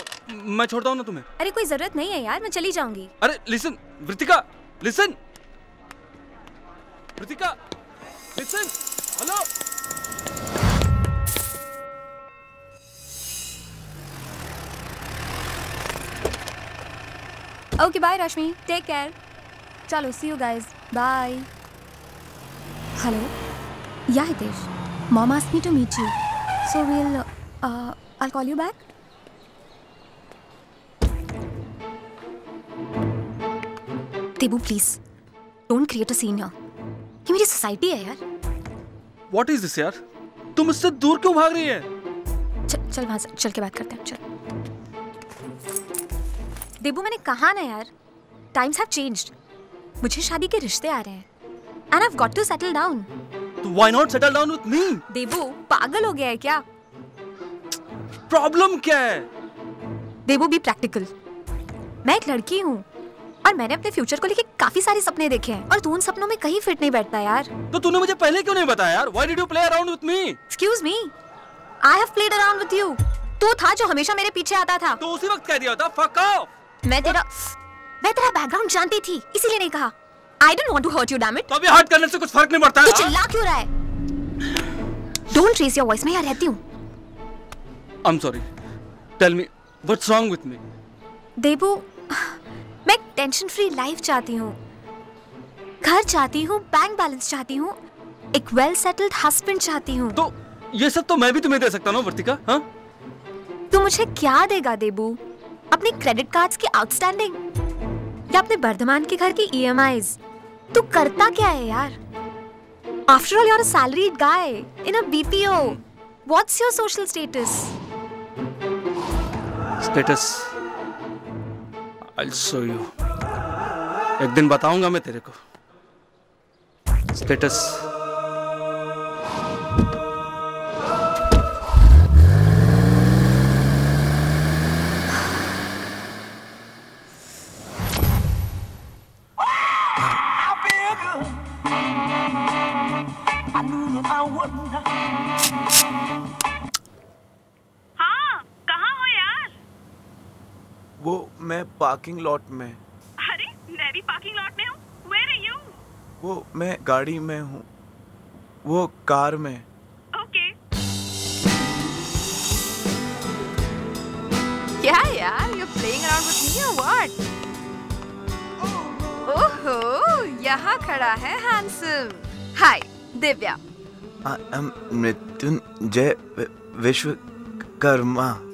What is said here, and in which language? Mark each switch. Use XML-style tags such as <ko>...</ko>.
<hi>मैं छोड़ता हूँ ना तुम्हें। अरे कोई जरूरत नहीं है यार, मैं चली जाऊंगी।</hi> <en>अरे listen, Vritika, listen, Vritika, listen, hello. Okay, bye, Rashmi. Take care.</en> <hi>चलो,</hi> <en>see you guys. Bye. Hello. Yeah, Hitesh. Mom asked me to meet you. So we'll, I'll call you back. Debu, please, don't create a scene here.</en> <hi>ये मेरी society है यार।</hi> <en>What is this यार?</en> <hi>तुम इससे दूर क्यों भाग रही है? चल वहाँ से, चल के बात करते हैं, चल। Debu, मैंने कहा ना यार,</hi> <en>times have changed.</en> <hi>मुझे शादी के रिश्ते आ रहे हैं,</hi> <en>and I've got to settle down.</en> <hi>तो</hi> <en>why not settle down with me?</en> <hi>Debu, पागल हो गया है क्या? प्रॉब्लम क्या है?</hi> <en>Debu, be practical.</en> <hi>मैं एक लड़की हूँ और मैंने अपने फ्यूचर को लेके काफी सारे सपने देखे हैं, और तू उन सपनों में कहीं फिट नहीं बैठता यार। तो तूने मुझे पहले क्यों नहीं बताया यार?</hi> <en>Why did you play around with me? Excuse me, I have played around with you.</en> <hi>तू था जो हमेशा मेरे पीछे आता था। तो उसी वक्त कह दिया था,</hi> <en>fuck off.</en> <hi>मैं तेरा बैकग्राउंड जानती थी, इसीलिए नहीं कहा।</hi> <en>I don't want to hurt you, damn it.</en> <hi>तभी हर्ट करने से कुछ फर्क नहीं पड़ता। तू चिल्ला क्यों रहा है?</hi> <en>Don't raise your voice,</en> <hi>मैं यहाँ रहती हूँ।</hi> <en>I'm sorry. Tell me, what's wrong with me?</en> <hi>Debu, मैं टेंशन फ्री लाइफ चाहती हूँ, घर चाहती हूँ, बैंक बैलेंस चाहती हूँ, एक वेल सेटल्ड हस्बैंड चाहती हूँ। तो ये सब तो मैं भी तुम्हें दे सकता हूँ वर्तिका, हाँ? तू मुझे क्या देगा Debu? अपने क्रेडिट कार्ड्स की आउटस्टैंडिंग या अपने वर्धमान के घर की EMIs? तू करता क्या है यार?</hi> <en>After all, you're a salaried guy in a BPO. What's your social status? Status? I'll show you.</en> <hi>एक दिन बताऊंगा मैं तेरे को.</hi> <en>Status? Oh,</en> <hi>हाँ, कहाँ हो यार? वो मैं पार्किंग लॉट में। अरे मैं भी पार्किंग लॉट में हूँ।</hi> <en>Where are you?</en> <hi>वो मैं गाड़ी में हूँ, वो कार में।</hi> <en>Yeah, yeah, you're playing around with me or what?</en> <hi>Oh, yaha khada hai handsome. Hi, Divya.</hi> <en>I am Mrityunjay Vishwakarma.</en>